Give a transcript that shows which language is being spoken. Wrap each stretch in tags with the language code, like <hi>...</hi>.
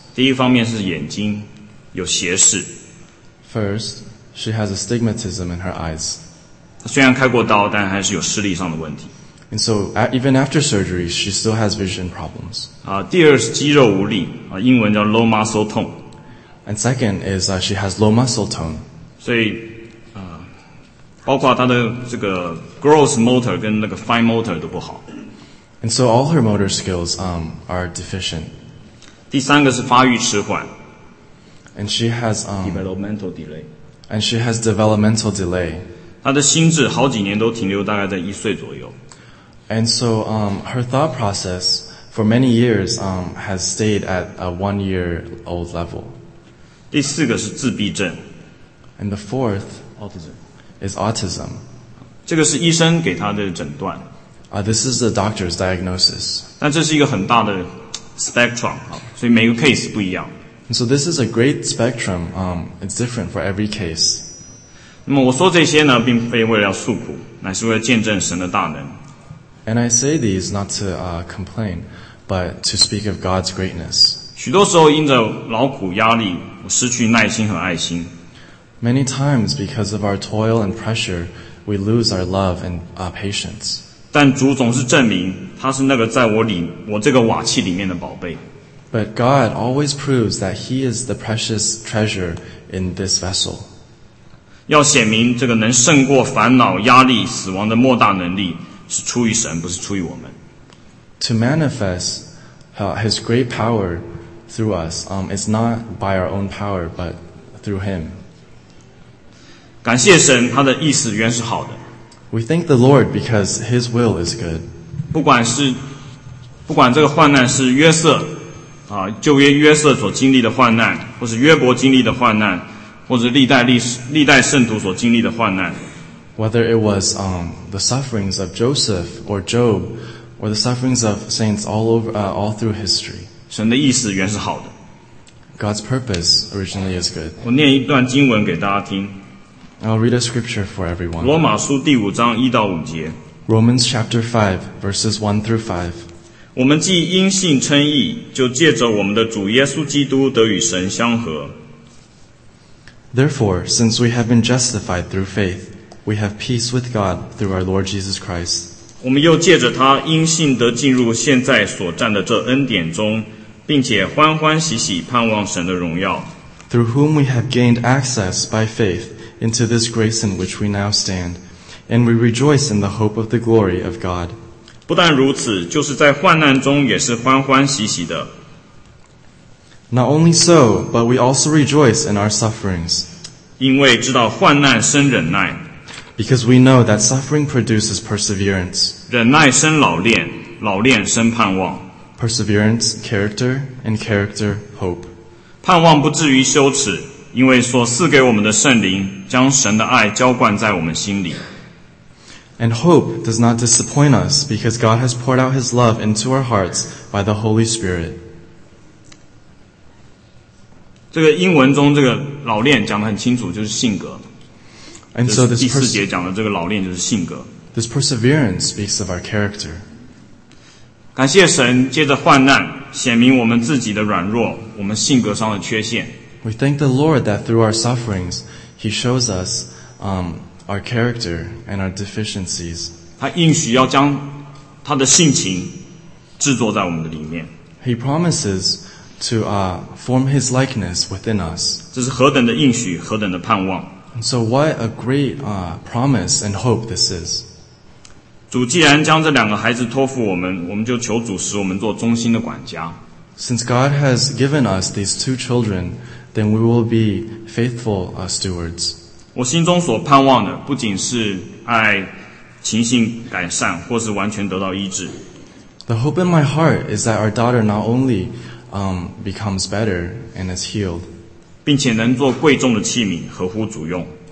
<zh>第一方面是眼睛有斜视。</zh> <en>First, she has astigmatism in her eyes.</en> <zh>她虽然开过刀，但还是有视力上的问题。</zh> <en>And so, even after surgery, she still has vision problems.</en> <zh>第二是肌肉无力，英文叫</zh> <en>low muscle tone. And second is, she has low muscle tone.</en> <zh>所以，包括她的这个 gross motor 跟那个 fine motor 都不好。</zh> <en>And so all her motor skills, are deficient.</en> <zh>第三个是发育迟缓。</zh> <en>And she has, developmental delay. And she has developmental delay.</en> <zh>她的心智好几年都停留大概在一岁左右。</zh> <en>And so, her thought process for many years, has stayed at a 1 year old level.</en> <zh>第四个是自闭症。</zh> <en>And the fourth autism. Is autism.</en> <zh>这个是医生给他的诊断。</zh> <en>This is the doctor's diagnosis.</en> <zh>但这是一个很大的 spectrum, 所以每个 case 不一样。</zh> <en>And so this is a great spectrum, it's different for every case.</en> <zh>那么我说这些呢，并非为了诉苦，乃是为了见证神的大能。</zh> <en>And I say these not to complain, but to speak of God's greatness.</en> <zh>许多时候因着劳苦压力，我失去耐心和爱心。</zh> <en>Many times because of our toil and pressure, we lose our love and patience.</en> <zh>但主总是证明他是那个在我这个瓦器里面的宝贝。</zh> <en>But God always proves that He is the precious treasure in this vessel.</en> <zh>要显明这个能胜过烦恼、压力、死亡的莫大能力。是出于神，不是出于我们。</zh> <en>To manifest His great power through us, it's not by our own power, but through Him.</en> <zh>感谢神，他的意思原是好的。</zh> <en>We thank the Lord because His will is good.</en> <zh>不管这个患难是约瑟旧约约瑟所经历的患难，或是约伯经历的患难，或是历代圣徒所经历的患难。</zh> <en>Whether it was the sufferings of Joseph or Job, or the sufferings of saints all through history.</en> <zh>神的意思原是好的。</zh> <en>God's purpose originally is good.</en> <zh>我念一段经文给大家听。</zh> <en>I'll read a scripture for everyone.</en> <zh>罗马书第五章一到五节。</zh> <en>Romans chapter 5, verses 1 through 5.</en> <zh>我们既因信称义，就借着我们的主耶稣基督得与神相合。</zh> <en>Therefore, since we have been justified through faith,We have peace with God through our Lord Jesus Christ.</en> <zh>我们又借着他因信得进入现在所站的这恩典中，并且欢欢喜喜盼望神的荣耀。</zh> <en>Through whom we have gained access by faith into this grace in which we now stand, and we rejoice in the hope of the glory of God.</en> <zh>不但如此，就是在患难中也是欢欢喜喜的。</zh> <en>Not only so, but we also rejoice in our sufferings.</en> <zh>因为知道患难生忍耐。</zh> <en>Because we know that suffering produces perseverance.</en> <zh>忍耐生老练，老练生盼望。</zh> <en>Perseverance, character, and character, hope.</en> <zh>盼望不至于羞耻，因为所赐给我们的圣灵将神的爱浇灌在我们心里。</zh> <en>And hope does not disappoint us because God has poured out His love into our hearts by the Holy Spirit.</en> <zh>这个英文中这个老练讲得很清楚，就是性格。</zh> <en>And so this</en> <zh>person, 第四节讲的这个老练就是性格。</zh> <en>This perseverance speaks of our character.</en> <zh>感谢神借着患难显明我们自己的软弱，我们性格上的缺陷。</zh> <en>We thank the Lord that through our sufferings, He shows us, our character and our deficiencies.</en> <zh>他应许要将他的性情制作在我们的里面。</zh> <en>He promises to, form His likeness within us.</en> <zh>这是何等的应许，何等的盼望。</zh> <en>And so what a great, promise and hope this is.</en> <zh>主既然将这两个孩子托付我们，我们就求主使我们做忠心的管家。</zh> <en>Since God has given us these two children, then we will be faithful, stewards.</en> <zh>我心中所盼望的不仅是爱情形改善或是完全得到医治。</zh> <en>The hope in my heart is that our daughter not only, becomes better and is healed.</en> <zh>并且能做贵重的器皿合乎主用。</zh>